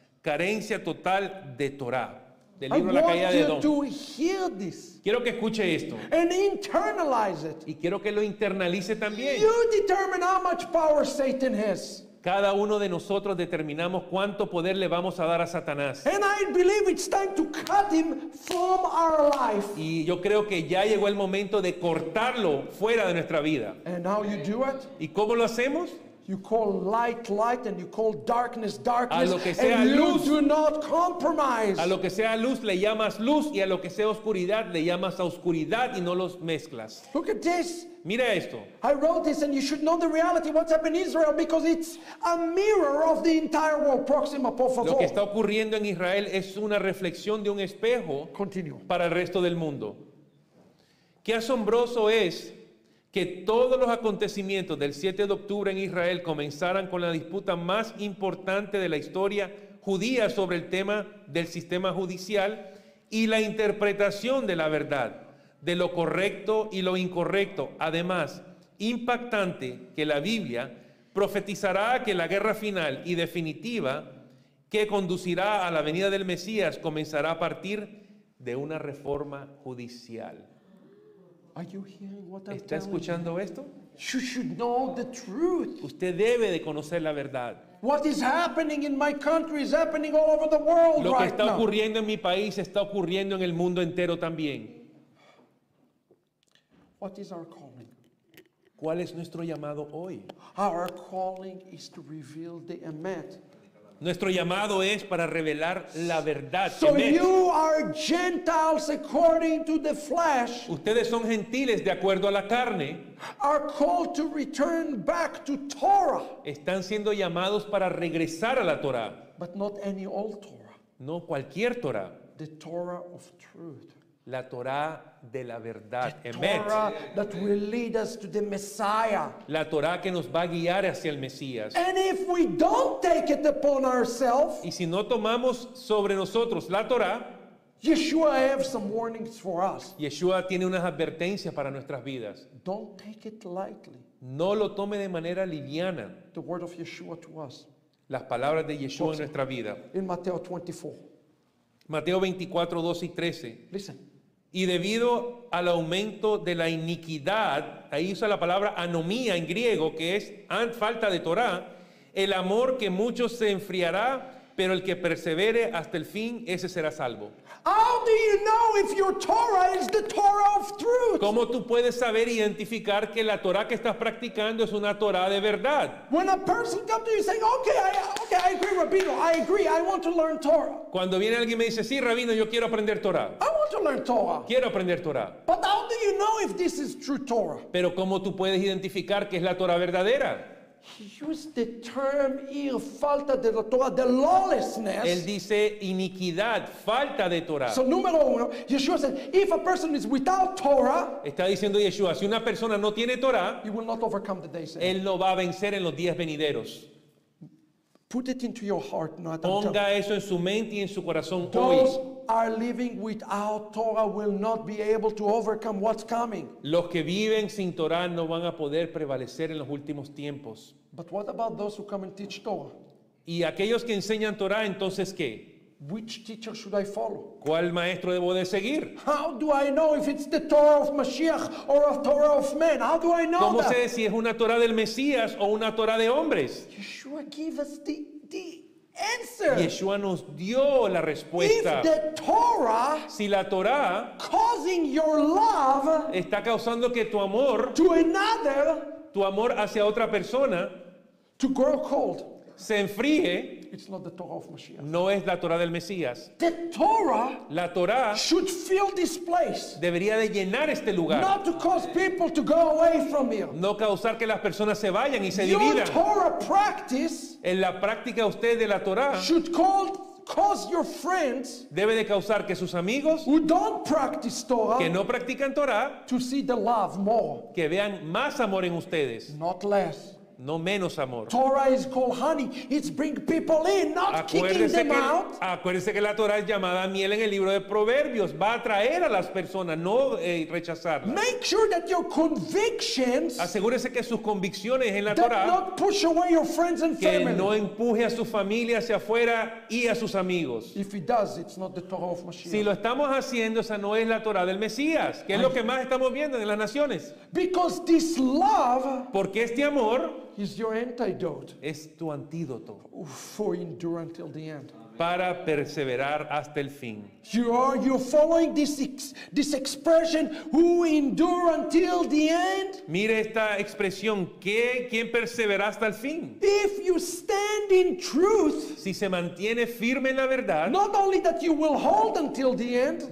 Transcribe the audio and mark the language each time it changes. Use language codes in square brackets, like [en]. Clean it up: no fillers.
[es] Carencia total de Torah. Del libro La Caída de Edom. [en] To hear this. [es] Quiero que escuche esto. [en] And internalize it. [es] Y quiero que lo internalice también. [en] You determine how much power Satan has. [es] Cada uno de nosotros determinamos cuánto poder le vamos a dar a Satanás. [en] And I believe it's time to cut him from our life. [es] Y yo creo que ya llegó el momento de cortarlo fuera de nuestra vida. [en] And how you do it? [es] ¿Y cómo lo hacemos? [en] You call light light and you call darkness darkness. [es] A lo que sea [en] and [es] luz, [en] you do not compromise. [es] A lo que sea luz le llamas luz y a lo que sea oscuridad le llamas oscuridad y no los mezclas. [en] Look at this. [es] Mira esto. [en] I wrote this and you should know the reality what's happened in Israel because it's a mirror of the entire world. [es] Proxima, por favor. Lo que está ocurriendo en Israel es una reflexión de un espejo. [en] Continue. [es] Para el resto del mundo. Qué asombroso es que todos los acontecimientos del 7 de octubre en Israel comenzaran con la disputa más importante de la historia judía sobre el tema del sistema judicial y la interpretación de la verdad, de lo correcto y lo incorrecto. Además, impactante que la Biblia profetizará que la guerra final y definitiva que conducirá a la venida del Mesías comenzará a partir de una reforma judicial. [en] Are you hearing what I'm [es] ¿Está escuchando [en] you? [es] Esto? [en] You should know the truth. [es] Usted debe de conocer la verdad. [en] What is happening in my country is happening all over the world right now. [es] Lo que está ocurriendo en mi país está ocurriendo en el mundo entero también. [en] What is our calling? [es] ¿Cuál es nuestro llamado hoy? [en] Our calling is to reveal the Emet. [es] Nuestro llamado es para revelar la verdad. [en] So you are Gentiles according to the flesh. [es] Ustedes son gentiles de acuerdo a la carne. [en] Are called to return back to Torah. [es] Están siendo llamados para regresar a la Torah. [en] But not any old Torah. [es] No cualquier Torah. [en] The Torah of truth. [es] La Torah de la verdad. [en] The Torah that will lead us to the Messiah. [es] La Torah que nos va a guiar hacia el Mesías. [en] And if we don't take it upon ourselves, [es] y si no tomamos sobre nosotros la Torah, [en] Yeshua have some warnings for us. [es] Yeshua tiene unas advertencias para nuestras vidas. [en] Don't take it lightly. [es] No lo tome de manera liviana. [en] The word of Yeshua to us. [es] Las palabras de Yeshua en nuestra vida. [en] In Mateo 24. [es] Mateo 24, 12 y 13. [en] Listen. [es] Y debido al aumento de la iniquidad, ahí usa la palabra anomía en griego, que es falta de Torah, el amor que muchos se enfriará, pero el que persevere hasta el fin, ese será salvo. [en] How do you know if your Torah is the Torah of truth? [es] ¿Cómo tú puedes saber identificar que la Torah que estás practicando es una Torah de verdad? [en] When a person comes to you saying, okay, I agree, Rabino, I agree, I want to learn Torah. [es] Cuando viene alguien y me dice, sí, Rabino, yo quiero aprender Torah. [en] I want to learn Torah. [es] Quiero aprender Torah. [en] But how do you know if this is true Torah? [es] Pero ¿cómo tú puedes identificar que es la Torah verdadera? [en] Use the term here, [es] falta de la Torah, [en] the lawlessness. [es] Él dice iniquidad, falta de Torah. [en] So [es] número uno, [en] Yeshua said, if a person is without Torah, [es] está diciendo Yeshua, si una persona no tiene Torah, [en] he will not overcome the days. [es] Él no va a vencer en los días venideros. [en] Put it into your heart, not [es] ponga eso en su mente y en su corazón. [en] Those are living without Torah will not be able to overcome what's coming. [es] Los que viven sin Torah no van a poder prevalecer en los últimos tiempos. [en] But what about those who come and teach Torah? [es] Y aquellos que enseñan Torah, entonces ¿qué? [en] Which teacher should I follow? [es] ¿Cuál maestro debo de seguir? [en] How do I know if it's the Torah of Mashiach or a Torah of men? How do I know [es] ¿cómo [en] that? [es] ¿Cómo sé si es una Torah del Mesías o una Torah de hombres? [en] Yeshua give us the answer. [es] Yeshua nos dio la respuesta. [en] If the Torah, [es] si la Torah [en] causing your love [es] está causando que tu amor [en] to another, [es] tu amor hacia otra persona [en] to grow cold, [es] se enfríe, [en] it's not the Torah of Mashiach. [es] No es la Torah del Mesías. [en] The Torah, [es] la Torah [en] should fill this place. [es] Debería de llenar este lugar. [en] Not to cause people to go away from here. [es] No causar que las personas se vayan y se [en] your [es] dividan. [en] Torah practice, [es] en la práctica usted de la Torah [en] should cause your friends, [es] debe de causar que sus amigos [en] who don't practice Torah, [es] que no practican Torah [en] to see the love more. [es] Que vean más amor en ustedes. [en] Not less. [es] No menos amor. [en] Torah is called honey. It's bring people in, not [es] acuérdese [en] kicking them [es] que, [en] out. [es] Acuérdese que la Torah es llamada miel en el libro de Proverbios. Va a atraer a las personas, no rechazarlas. [en] Make sure that your convictions. [es] Asegúrese que sus convicciones en la Torah. [en] That not push away your friends and [es] que [en] family. [es] Que no empuje a su familia hacia afuera y a sus amigos. [en] If it does, it's not the Torah of Mashiach. [es] Si lo estamos haciendo, esa no es la Torah del Mesías, que es lo que más estamos viendo en las naciones. [en] Because this love. [es] Porque este amor. [en] is your antidote. [es] Es tu antídoto. [en] For endure until the end. [es] Para perseverar hasta el fin. [en] You're following this expression, who endure until the end. [es] Mire esta expresión, ¿quién perseverará hasta el fin? [en] If you stand in truth, [es] si se mantiene firme en la verdad, [en] not only that you will hold until the end,